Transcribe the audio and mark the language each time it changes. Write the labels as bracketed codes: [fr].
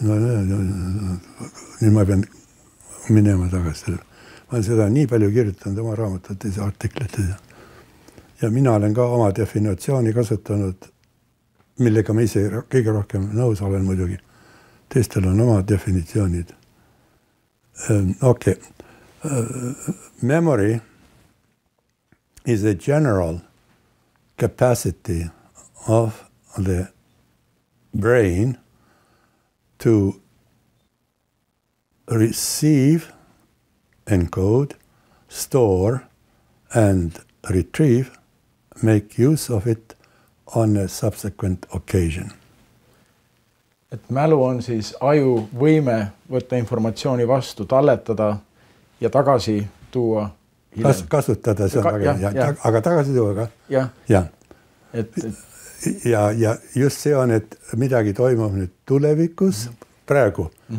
[et] Nüüd ma pean minema tagasi. Ma olen seda nii palju kirjutanud oma raamatutes ja artiklites. Ja mina olen ka oma definitsiooni kasutanud, millega ma ise kõige rohkem nõus olen muidugi. Teistel on oma definitsioonid. [en] Memory is a general capacity of the brain to receive, encode, store and retrieve, make use of it on a subsequent occasion. [et] Et mälu on siis aju võime võtta informatsiooni vastu, talletada ja tagasi tuua. Kasutada, see on väga aga tagasi tuua ka. Ja just see on, et midagi toimub nüüd tulevikus, praegu.